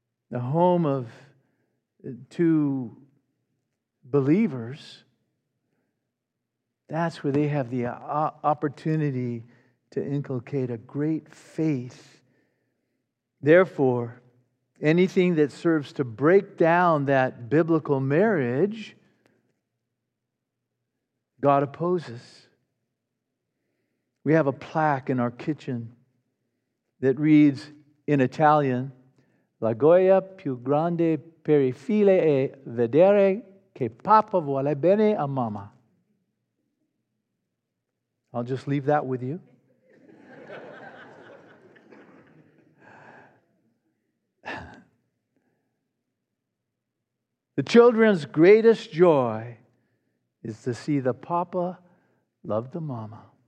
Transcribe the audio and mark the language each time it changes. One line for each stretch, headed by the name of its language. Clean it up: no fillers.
English: The home of two believers, that's where they have the opportunity to inculcate a great faith. Therefore, anything that serves to break down that biblical marriage, God opposes. We have a plaque in our kitchen that reads in Italian,
Italian: La gioia più grande per il figlio è vedere che papà vuole bene a mamma.
English: I'll just leave that with you. The children's greatest joy is to see the papa love the mama.